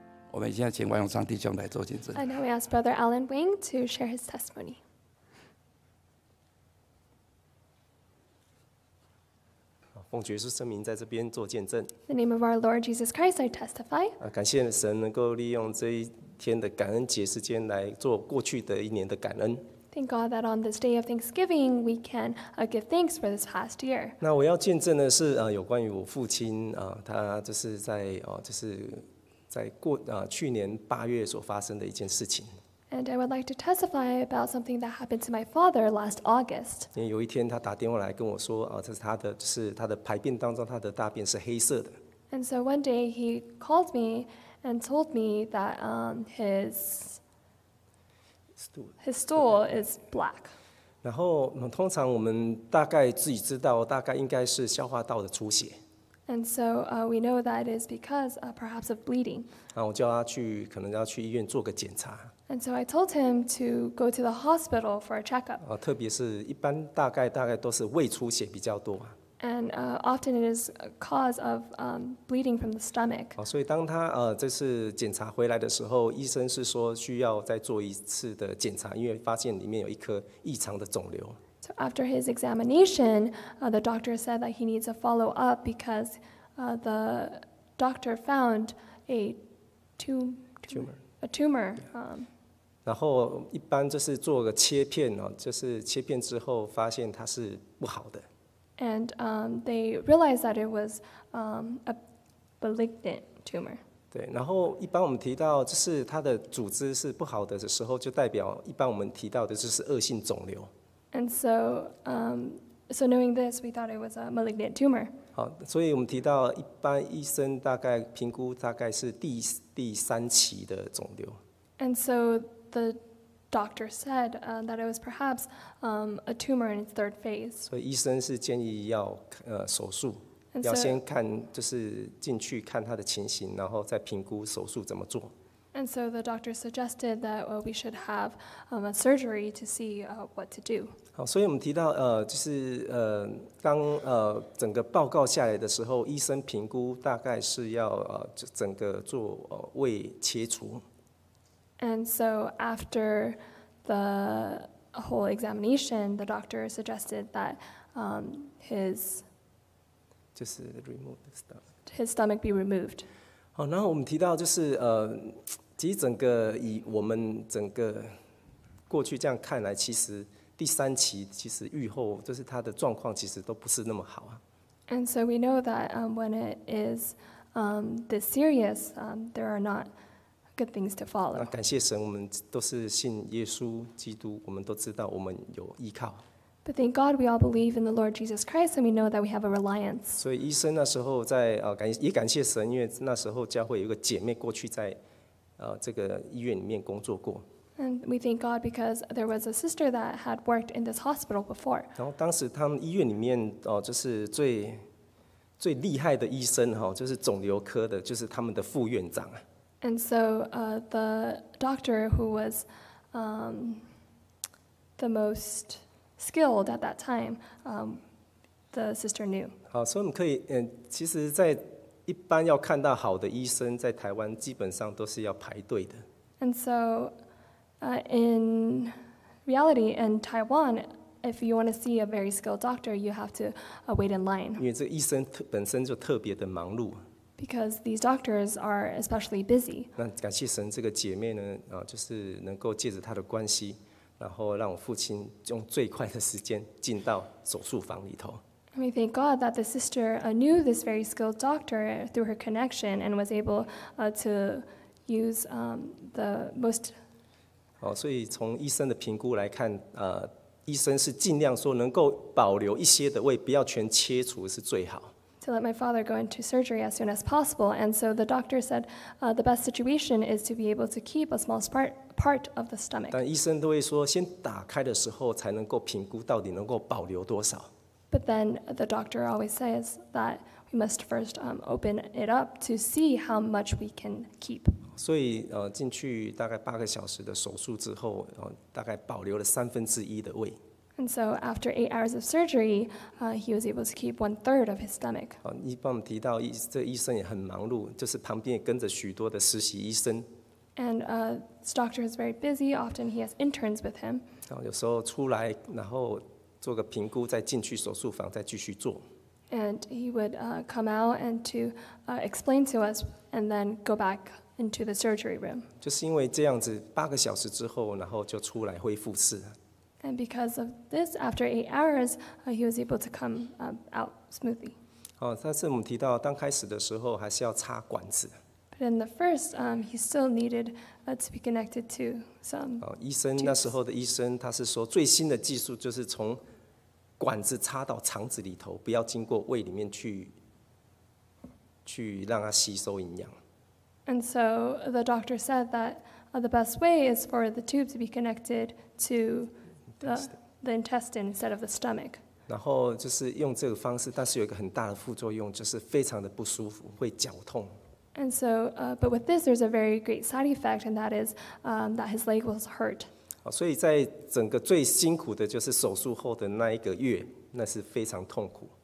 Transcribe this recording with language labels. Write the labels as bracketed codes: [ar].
[zh] 我们现在请王永昌弟兄来做见证。 [en] And now we ask Brother Alan Wing to share his testimony. [zh] 奉主耶稣圣名在这边做见证。 [en] The name of our Lord Jesus Christ, I testify. [zh] 感谢神能够利用这一天的感恩节时间来做过去的一年的感恩。 [en] Thank God that on this day of Thanksgiving, we can give thanks for this past year. [zh] 那我要见证的是有关于我父亲他就是在就是在过去年八月所发生的一件事情。 [en] And I would like to testify about something that happened to my father last August. [zh] 因为有一天他打电话来跟我说这是他的就是他的排便当中他的大便是黑色的。 [en] And so one day he called me and told me that His stool is black. [zh] 然后通常我们大概自己知道，大概应该是消化道的出血。 [en] And so we know that it is because perhaps of bleeding. [zh] 然后我叫他去，可能要去医院做个检查。 [en] And so I told him to go to the hospital for a checkup. [zh] 特别是一般大概都是胃出血比较多。 [en] And often it is a cause of bleeding from the stomach. [zh] 所以当他这次检查回来的时候，医生是说需要再做一次的检查，因为发现里面有一颗异常的肿瘤。 [en] So after his examination, the doctor said that he needs a follow up because the doctor found a tumor. Yeah. [zh] 然后一般就是做个切片就是切片之后发现它是不好的。 [en] And they realized that it was a malignant tumor. [zh] 对，然后一般我们提到就是它的组织是不好的时候，就代表一般我们提到的就是恶性肿瘤。 [en] And so, so knowing this, we thought it was a malignant tumor. [zh] 好，所以我们提到一般医生大概评估大概是第三期的肿瘤。 [en] And so the doctor said that it was perhaps a tumor in its third phase. [zh] 所以医生是建议要手术，要先看就是进去看他的情形，然后再评估手术怎么做。 [en] And so the doctor suggested that we should have a surgery to see what to do. [zh] 好，所以我们提到就是当整个报告下来的时候，医生评估大概是要整个做胃切除。 [en] And so after the whole examination, the doctor suggested that his just remove the stomach. His stomach be removed. [zh] 好，然后我们提到就是其实整个以我们整个过去这样看来，其实第三期其实愈后就是他的状况其实都不是那么好啊。 [en] And so we know that when it is this serious, there are not good things to follow. [zh] 那感谢神，我们都是信耶稣基督，我们都知道我们有依靠。 [en] But thank God we all believe in the Lord Jesus Christ and we know that we have a reliance. [zh] 所以医生那时候在也感谢神，因为那时候教会有个姐妹过去在这个医院里面工作过。 [en] And we thank God because there was a sister that had worked in this hospital before. [zh] 然后当时他们医院里面就是最厉害的医生就是肿瘤科的，就是他们的副院长。 [en] And so the doctor who was the most skilled at that time, the sister knew. [zh] 好，所以我们可以其实在一般要看到好的医生在台湾基本上都是要排队的。 [en] And so, in reality, in Taiwan, if you want to see a very skilled doctor, you have to wait in line. [zh] 因为这个医生本身就特别的忙碌。 [en] Because these doctors are especially busy. [zh] 那感谢神，这个姐妹呢，就是能够借着她的关系，然后让我父亲用最快的时间进到手术房里头。 [en] We thank God that the sister knew this very skilled doctor through her connection and was able to use the most. [zh] 所以从医生的评估来看，医生是尽量说能够保留一些的胃，不要全切除是最好。 [en] To let my father go into surgery as soon as possible, and so the doctor said the best situation is to be able to keep a small part of the stomach. [zh] 但医生都会说，先打开的时候才能够评估到底能够保留多少。 [en] But then the doctor always says that we must first open it up to see how much we can keep. [zh] 所以进去大概八个小时的手术之后，大概保留了三分之一的胃。 [en] And so after 8 hours of surgery, he was able to keep 1/3 of his stomach. [zh] 好，你帮我们提到这医生也很忙碌，就是旁边也跟着许多的实习医生。 [en] And this doctor is very busy. Often he has interns with him. [zh] 有时候出来，然后做个评估，再进去手术房，再继续做。 [en] And he would come out and to explain to us, and then go back into the surgery room. [zh] 就是因为这样子，八个小时之后，然后就出来恢复室。 [en] And because of this, after 8 hours, he was able to come out smoothly. [zh] 但是我们提到刚开始的时候还是要插管子。 [en] But in the first, he still needed to be connected to some. [zh] 医生那时候的医生他是说最新的技术就是从管子插到肠子里头，不要经过胃里面去让它吸收营养。 [en] And so the doctor said that the best way is for the tube to be connected to the intestine instead of the stomach. [zh] 然后就是用这个方式，但是有一个很大的副作用，就是非常的不舒服，会绞痛。 [en] And so, but with this, there's a very great side effect, and that is that his leg was hurt. [zh] 所以在整个最辛苦的就是手术后的那一个月，那是非常痛苦。